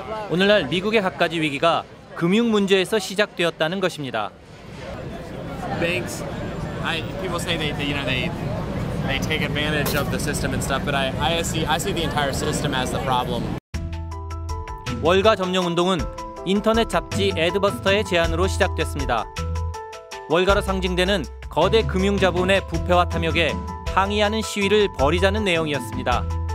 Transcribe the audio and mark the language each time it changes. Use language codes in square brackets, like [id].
[ko] 오늘날 미국의 갖가지 위기가 금융 문제에서 시작되었다는 것입니다. [en] Banks, people say they take advantage of the system and stuff, but I see the entire system as the problem. [ko] 월가 점령 운동은 인터넷 잡지 애드버스터의 제안으로 시작됐습니다. 월가로 상징되는 거대 금융 자본의 부패와 탐욕에 항의하는 시위를 벌이자는 내용이었습니다.